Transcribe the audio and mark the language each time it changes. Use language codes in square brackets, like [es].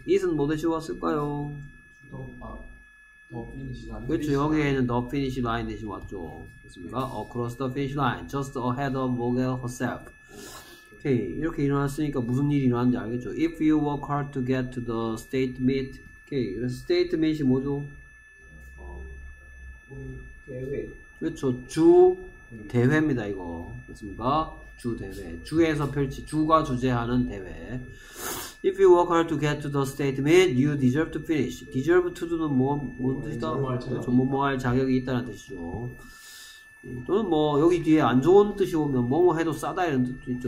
[ko] It은 뭐 대신 왔을까요? [en] The finish line. [ko] 그렇죠. 여기에는 the finish line 대신 왔죠. 됐습니까? [en] Across the finish line. Just ahead of Vogel herself. [ko] 오케이. [en] Okay. [ko] 이렇게 일어났으니까 무슨 일이 일어났는지 알겠죠? [en] If you work hard to get to the state meet. [ko] 오케이. [en] Okay. [ko] State meet이 뭐죠? 대회. 그렇죠. 주 대회입니다. 이거. 됐습니까? 주 대회. 주에서 펼치. 주가 주재하는 대회. [en] If you work hard to get to the state meet, you deserve to finish. [ko] Deserve to do는 뭔 뜻이다? 뭐뭐 할 자격이 있다는 뜻이죠. 또는 뭐 여기 뒤에 안 좋은 뜻이 오면 뭐뭐 해도 싸다 이런 뜻도 있죠.